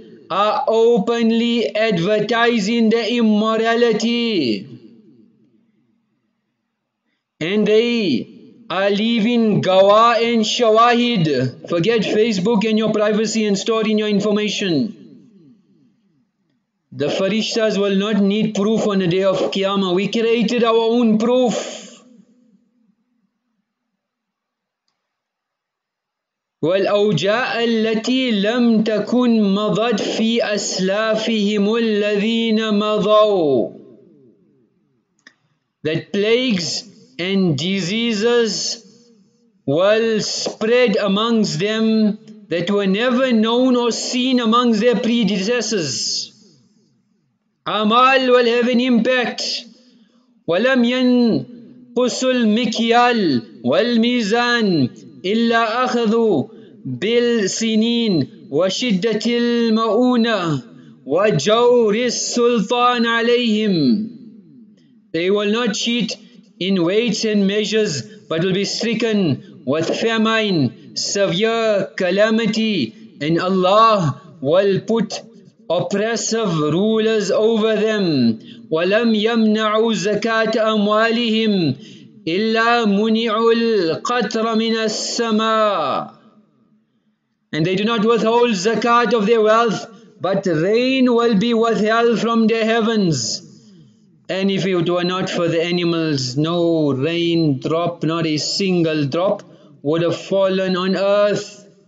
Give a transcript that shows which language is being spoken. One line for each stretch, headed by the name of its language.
English: are openly advertising the immorality, and they are leaving Gawah and Shawahid. Forget Facebook and your privacy and storing your information. The Farishtas will not need proof on the day of Qiyamah. We created our own proof.
Arabic: والأوجاء التي لم تكن مضت في أسلافهم الذين مضوا.
English: That plagues and diseases will spread amongst them that were never known or seen amongst their predecessors. Amal will have an impact.
Arabic: ولم ينقص المكيال والميزان إلا أخذوا بالسنين وشدة المؤونة وجور السلطان عليهم.
English: They will not cheat in weights and measures, but will be stricken with famine, severe calamity, and Allah will put oppressive rulers over them.
Arabic: ولم يمنعوا زكاة أموالهم إلا منع القطر من السماء.
English: And they do not withhold zakat of their wealth, but rain will be withheld from the heavens. And if it were not for the animals, no rain drop, not a single drop, would have fallen on earth.